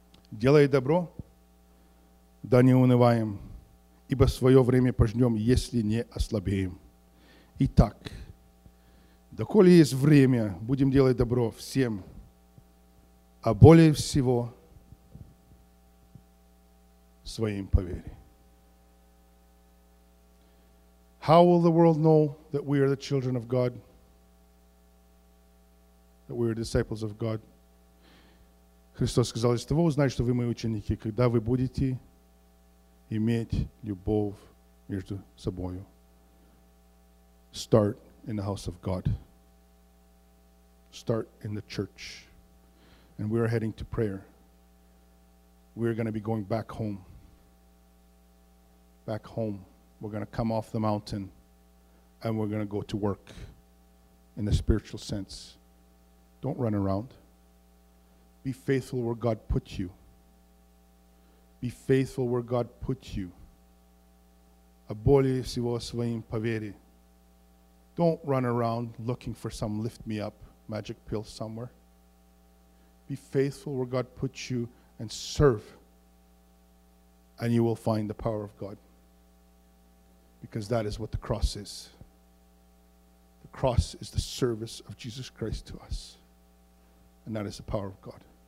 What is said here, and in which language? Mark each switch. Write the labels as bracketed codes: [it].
[ru] Делай добро, да не унываем, ибо свое время пожнем, если не ослабеем. Итак, доколе есть время, будем делать добро всем, а более всего своим по вере. [en] How will the world know that we are the children of God? That we are disciples of God? [ru] Христос сказал, из того узнаете, что вы мои ученики, когда вы будете иметь любовь между собою. [en] Start in the house of God. Start in the church. And we are heading to prayer. We are going to be going back home. Back home. We're going to come off the mountain and we're going to go to work in a spiritual sense. Don't run around. Be faithful where God put you. Be faithful where God put you. [ru] А более всего своим по вере. [en] Don't run around looking for some lift me up magic pill somewhere. Be faithful where God put you and serve, and you will find the power of God. Because that is what the cross is. The cross is the service of Jesus Christ to us. And that is the power of God.